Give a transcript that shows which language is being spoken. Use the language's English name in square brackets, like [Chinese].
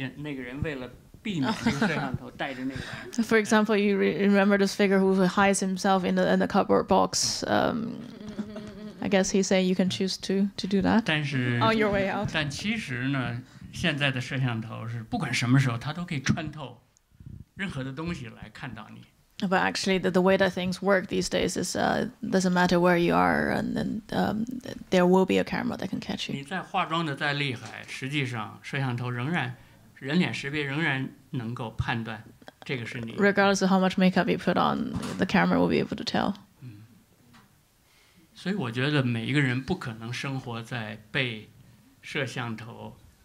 [Chinese] 这个电影里也有这个什么我们那个人为了避免摄像头带着那个 [English] For example, you remember this figure who hides himself in the cardboard box. I guess he's saying you can choose to do that [Chinese] 但是, [English] on your way out. [Chinese] 但其实呢, 现在的摄像头是不管什么时候，它都可以穿透任何的东西来看到你。 [English] But actually, the way that things work these days is doesn't matter where you are, and then there will be a camera that can catch you. [Chinese] 你在化妆的再厉害，实际上摄像头仍然人脸识别仍然能够判断这个是你。 [English] Regardless of how much makeup you put on, the camera will be able to tell. [Chinese] 所以我觉得每一个人不可能生活在被摄像头。